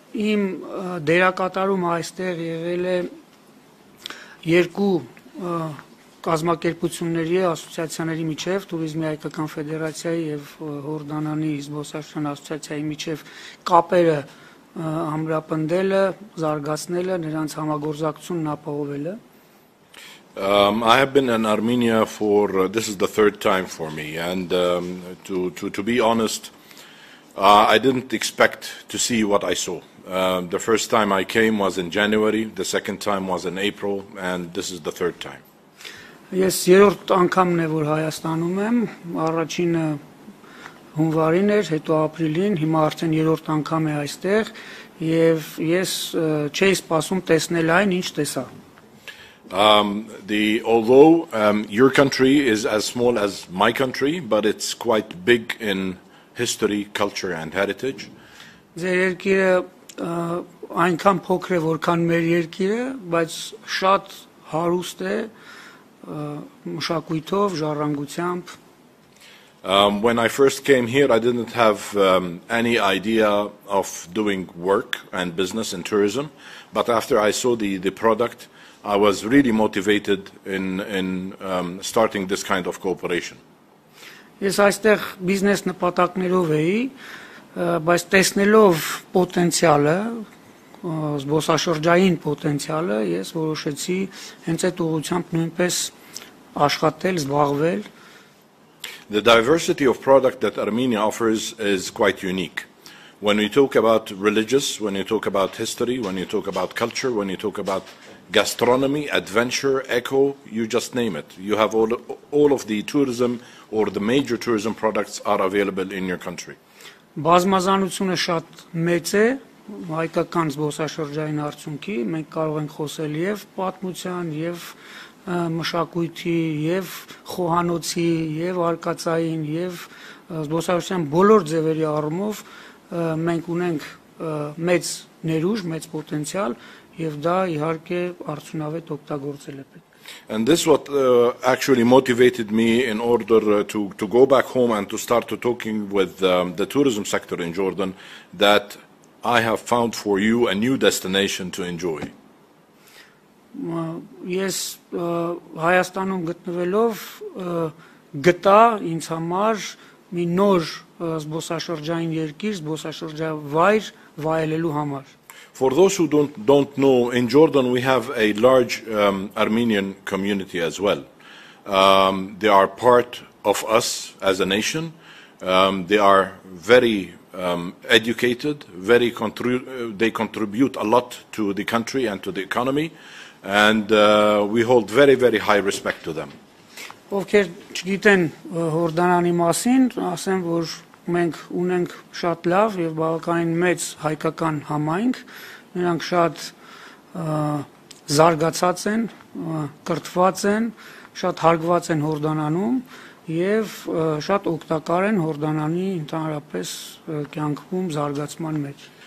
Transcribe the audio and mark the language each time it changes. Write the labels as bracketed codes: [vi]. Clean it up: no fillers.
[hy] Իմ դերակատարումը այստեղ եղել է երկու կազմակերպությունների, ասոցիացիաների միջև, Տուրիզմի հայկական ֆեդերացիայի եւ Հորդանանի զբոսաշրջության ասոցիացիայի միջև կապերը ամրապնդելը, զարգացնելը, նրանց համագործակցությունն ապահովելը։ [en] I have been in Armenia for this is the third time for me, and to be honest, I didn't expect to see what I saw. The first time I came was in January, the second time was in April, and this is the third time. [hy] Ես երրորդ անգամն է, որ Հայաստանում եմ, առաջինը հունվարին էր, հետո ապրիլին, հիմա արդեն երրորդ անգամ է այստեղ, և ես չէի սպասում տեսնել այն, ինչ տեսա. [en] Although your country is as small as my country, but it's quite big in history, culture and heritage. [hy] Ձեր երկիրը այնքան փոքր է, որքան մեր երկիրը, բայց շատ հարուստ է, մշակույթով, ժառանգությամբ. [en] When I first came here, I didn't have any idea of doing work and business in tourism, but after I saw the product, I was really motivated in starting this kind of cooperation. [hy] Ես այստեղ բիզնես նպատակներով էի, բայց տեսնելով պոտենցիալը, զբոսաշրջային պոտենցիալը, ես որոշեցի հենց այդ ուղղությամբ նույնպես աշխատել, զբաղվել. [en] The diversity of product that Armenia offers is quite unique. When you talk about religious, when you talk about history, when you talk about culture, when you talk about gastronomy, adventure, eco, you just name it. You have all of the tourism or the major tourism products are available in your country. [hy] Բազմազանությունը շատ մեծ է հայկական զբոսաշրջային արդյունքի, մենք կարող ենք խոսել եւ պատմության եւ մշակույթի եւ խոհանոցի եւ արկածային եւ զբոսաշրջության բոլոր ձևերի առումով մենք ունենք մեծ ներուժ, մեծ պոտենցիալ եւ դա իհարկե արդյունավետ օգտագործել է պետք։ [en] And this what actually motivated me in order to go back home and to start to talking with the tourism sector in Jordan that I have found for you a new destination to enjoy. [hy] Ես Հայաստանում գտնվելով գտա ինձ համար մի նոր զբոսաշրջային երկիր, զբոսաշրջավայր վայելելու համար. [en] For those who don't know, in Jordan we have a large Armenian community as well. They are part of us as a nation. They are very educated, very they contribute a lot to the country and to the economy. And we hold very, very high respect to them. [hy] Ովքեր չգիտեն Հորդանանի մասին, ասեմ, որ մենք ունենք շատ լավ եւ բավականին մեծ հայկական համայնք, նրանք շատ զարգացած են, կրթված են, շատ հարգված են Հորդանանում եւ շատ օգտակար են Հորդանանի ընդհանրապես կյանքում զարգացման մեջ.